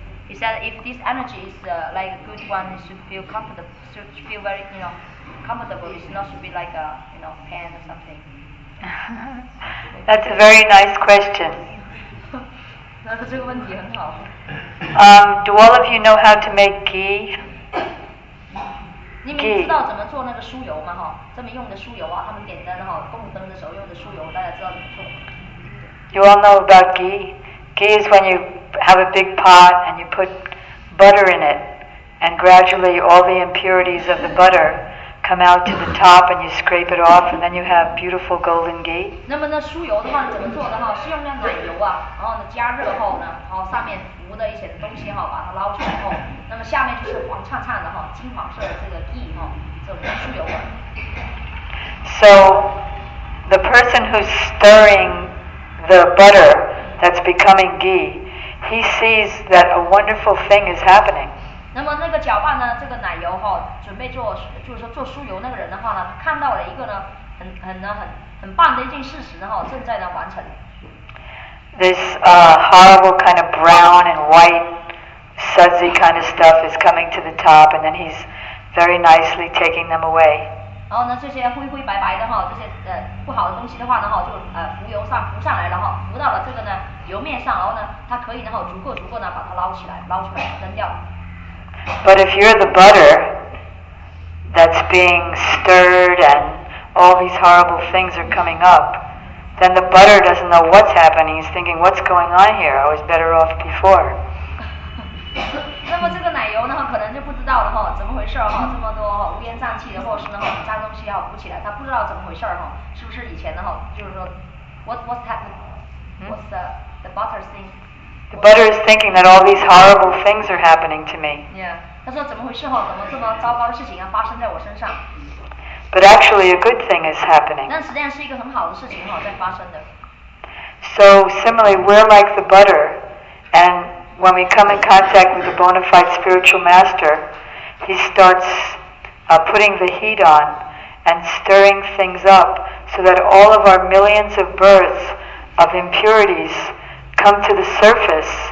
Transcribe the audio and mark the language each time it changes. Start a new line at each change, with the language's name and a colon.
English: He said if this energy is like a good one, it should feel comfortable, should feel very, you know, comfortable. It's not should be like a, you know, pain or something. That's a very nice question.
Chinese: 那这个问题很好。
English: Do all of you know how to make ghee?
Chinese: 你们知道怎么做那个酥油吗？哈，这么用的酥油啊，他们点灯哈，供灯的时候用的酥油，大家知道怎么做？
English: You all know about ghee. Ghee is when you have a big pot and you put butter in it, and gradually all the impurities of the butter come out to the top, and you scrape it off, and then you have beautiful golden ghee.
Chinese: 那么那酥油的话怎么做的哈？是用那奶油啊，然后呢加热后呢，好上面浮的一些东西哈，把它捞出来后，那么下面就是黄灿灿的哈，金黄色的这个 ghee 哈，这种酥油啊。
English: So, the person who's stirring the butter that's becoming ghee, he sees that a wonderful thing is happening.
Chinese: 那么那个搅拌呢，这个奶油哈，准备做就是说做酥油那个人的话呢，他看到了一个呢很棒的一件事实哈，正在呢完成。
English: This horrible kind of brown and white sudsy kind of stuff is coming to the top, and then he's very nicely taking them away.
Chinese: 然后呢，这些灰灰白白的哈，这些不好的东西的话呢哈，就浮油上浮上来了哈，浮到了这个呢油面上，然后呢，它可以然后逐个呢把它捞起来，捞出来扔掉。
English: But if you're the butter that's being stirred and all these horrible things are coming up, then the butter doesn't know what's happening. He's thinking, what's going on here? I was better off before.
Chinese: 那么这个奶油呢，可能就不知道了哈，怎么回事哈？这么多哈乌烟瘴气的，或是呢哈脏东西哈浮起来，他不知道怎么回事哈？是不是以前的哈？就是说 ，
English: what's happening? What's the butter thing? The butter is thinking that all these horrible things are happening to me.
Chinese: Yeah, 他说怎么回事哈？怎么这么糟糕的事情要发生在我身上
English: ？But actually, a good thing is happening.
Chinese: 但实际上是一个很好的事情哈，在发生的。
English: So similarly, we're like the butter, and when we come in contact with the bona fide spiritual master, he starts putting the heat on and stirring things up so that all of our millions of births of impurities come to the surface.